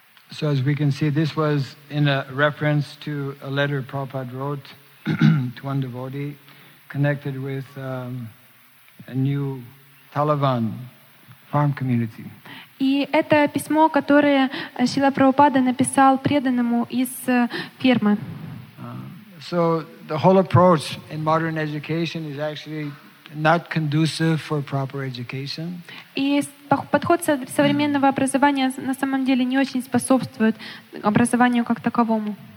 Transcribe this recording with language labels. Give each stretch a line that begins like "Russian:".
English: So as we can see, this was in a reference to a letter Prabhupada wrote to one devotee connected with a new Taliban farm community.
Russian: И это письмо, которое Шрила Прабхупада написал преданному из фермы.
English: So the whole approach in modern education is actually not conducive for proper education.
Russian: И подход современного образования на самом деле не очень способствует образованию как таковому.